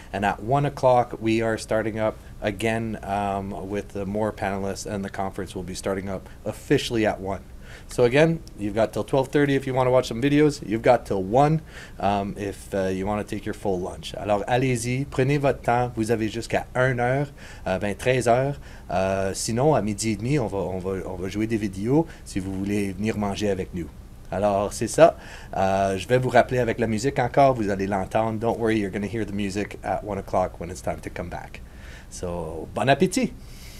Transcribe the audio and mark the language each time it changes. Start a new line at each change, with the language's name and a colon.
English: And at 1 o'clock, we are starting up again with more panelists, and the conference will be starting up officially at 1. So again, you've got till 12:30 if you want to watch some videos. You've got till 1 if you want to take your full lunch.
French: Alors, allez-y, prenez votre temps. Vous avez jusqu'à 1h, 13h. Sinon, à midi et demi, on va jouer des vidéos si vous voulez venir manger avec nous. Alors, c'est ça. Je vais vous rappeler avec la musique encore. Vous allez l'entendre.
English: Don't worry, you're going to hear the music at 1 o'clock when it's time to come back. So, bon appétit!